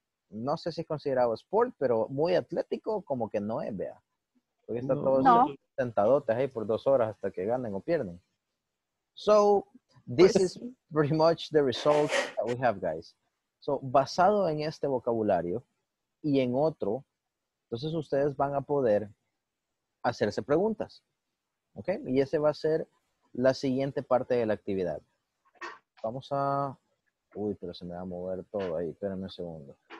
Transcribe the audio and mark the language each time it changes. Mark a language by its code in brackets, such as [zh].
[es] No sé si es considerado sport, pero muy atlético, como que no es, vea. Porque están todos sentadotes ahí por dos horas hasta que ganen o pierden. [en] So, this is pretty much the result that we have, guys. [es] So, basado en este vocabulario y en otro, entonces ustedes van a poder hacerse preguntas. ¿Ok? Y ese va a ser la siguiente parte de la actividad. Vamos a... Uy, pero se me va a mover todo ahí. Espérenme un segundo.